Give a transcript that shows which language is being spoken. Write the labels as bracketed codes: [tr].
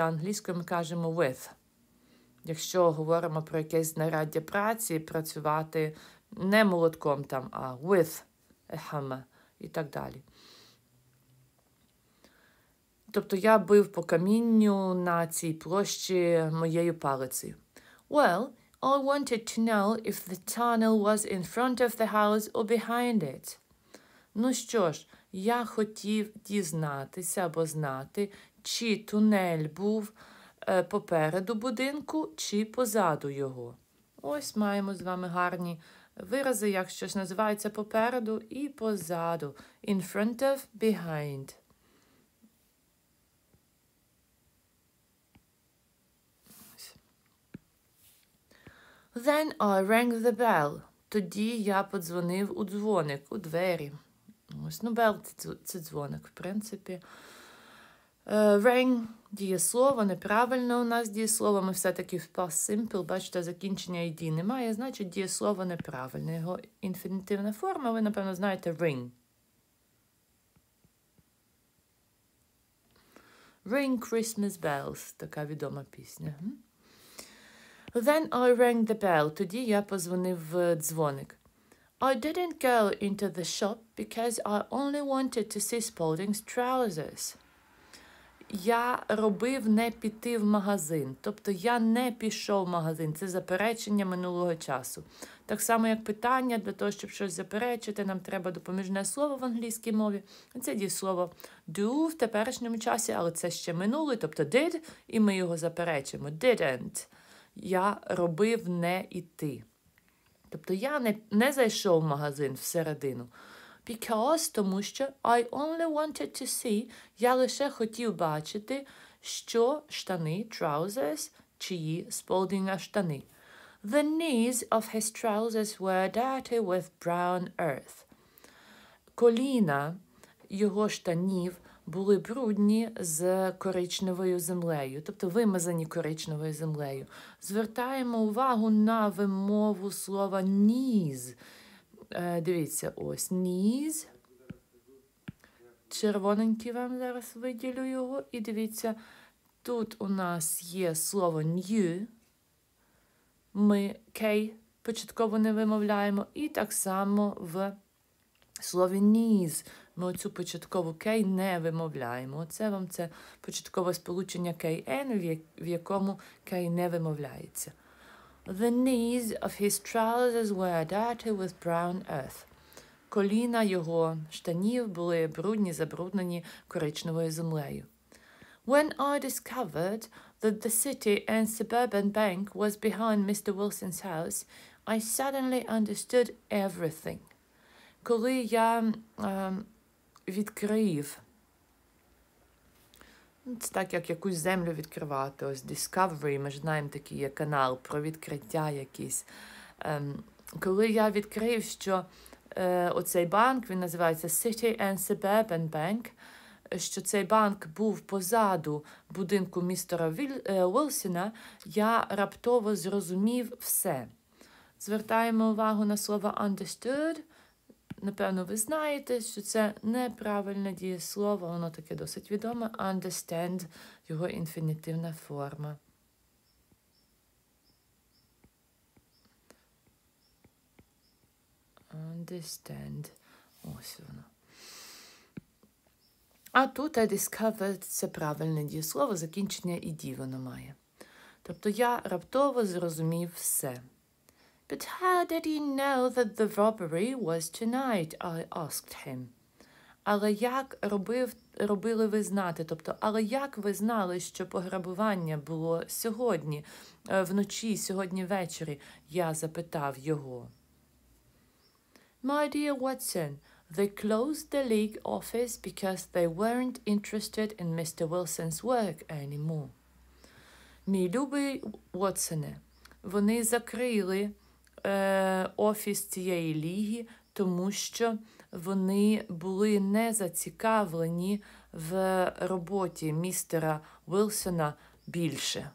[uk] Англійською ми кажемо with. Якщо говоримо про якесь знаряддя праці, працювати не молотком там, а [en] with a hammer [uk] і так далі. Тобто я бив по камінню на цій площі моєю палицею. [en] Well, I wanted to know if the tunnel was in front of the house or behind it. [uk] Ну що ж, я хотів дізнатися або знати, чи тунель був попереду будинку, чи позаду його. Ось маємо з вами гарні вирази, як щось називається попереду і позаду. [en] In front of, behind. Then I rang the bell. [uk] Тоді я подзвонив у дзвоник, у двері. Ось, ну, bell – це дзвоник, в принципі. Rang – дієслово, неправильно у нас дієслово, ми все-таки в past simple, бачите, закінчення ID немає, значить дієслово неправильне, його інфінітивна форма, ви, напевно, знаєте ring. [en] Ring Christmas bells – [uk] така відома пісня. [en] Then I rang the bell – [uk] тоді я позвонив в дзвоник. [en] I didn't go into the shop because I only wanted to see Spalding's trousers. [uk] Я робив не піти в магазин. Тобто я не пішов в магазин. Це заперечення минулого часу. Так само, як питання, для того, щоб щось заперечити, нам треба допоміжне слово в англійській мові. Це дієслово do в теперішньому часі, але це ще минуле, тобто did, і ми його заперечимо. Didn't. Я робив не йти. Тобто я не зайшов в магазин всередину. [en] Because, [uk] тому що [en] I only wanted to see, [uk] я лише хотів бачити, що штани, trousers, чиї Сполдінга штани. [en] The knees of his trousers were dirty with brown earth. [uk] Коліна його штанів були брудні з коричневою землею, тобто вимазані коричневою землею. Звертаємо увагу на вимову слова «ніз». Дивіться, ось «ніз». Червоненький вам зараз виділю його. І дивіться, тут у нас є слово «нью». Ми «кей» початково не вимовляємо. І так само в слові «ніз». Ми оцю початкову «кей» не вимовляємо. Оце вам це початкове сполучення «кей-ен», в якому «кей» не вимовляється. [en] «The knees of his trousers were dirty with brown earth». [uk] Коліна його штанів були брудні, забруднені коричневою землею. [en] «When I discovered that the city and suburban bank was behind Mr. Wilson's house, I suddenly understood everything». [uk] Коли я відкрив, це так, як якусь землю відкривати, ось Discovery, ми ж знаємо такий канал про відкриття якісь. Коли я відкрив, що оцей банк, він називається City and Suburban Bank, що цей банк був позаду будинку містера Уилсона, я раптово зрозумів все. Звертаємо увагу на слово «understood». Напевно, ви знаєте, що це неправильне дієслово, воно таке досить відоме. «Understand» – його інфінітивна форма. «Understand» – ось воно. А тут [en] «I discovered» [uk] – це правильне дієслово, закінчення «ed» воно має. Тобто я раптово зрозумів все. [en] «But how did he know that the robbery was tonight?» – I asked him. [uk] «Але як робили ви знати?» – тобто, «але як ви знали, що пограбування було сьогодні, вночі, сьогодні ввечері?» – я запитав його. [en] «My dear Watson, they closed the league office because they weren't interested in Mr. Wilson's work anymore». [uk] «Мій любий Уотсоне, вони закрили офіс цієї ліги, тому що вони були не зацікавлені в роботі містера Уилсона більше.